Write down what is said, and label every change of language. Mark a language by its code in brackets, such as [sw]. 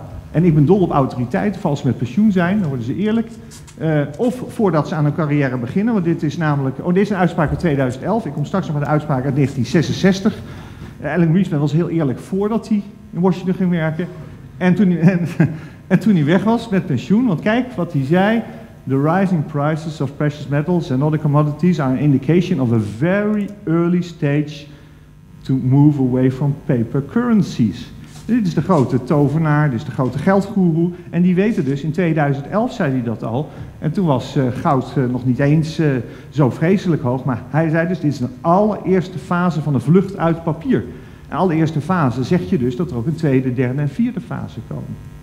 [nl] En ik ben dol op autoriteit, of als ze met pensioen zijn, dan worden ze eerlijk. Of voordat ze aan hun carrière beginnen, want dit is namelijk... Oh, dit is een uitspraak uit 2011. Ik kom straks nog met een uitspraak uit 1966. Alan Greenspan was heel eerlijk voordat hij in Washington ging werken. En toen hij weg was met pensioen, want kijk wat hij zei. [en] The rising prices of precious metals and other commodities are an indication of a very early stage to move away from paper currencies. [nl] Dit is de grote tovenaar, dit is de grote geldgoeroe. En die weten dus, in 2011 zei hij dat al. En toen was goud nog niet eens zo vreselijk hoog. Maar hij zei dus, dit is de allereerste fase van de vlucht uit papier. En allereerste fase zeg je dus dat er ook een tweede, derde en vierde fase komen.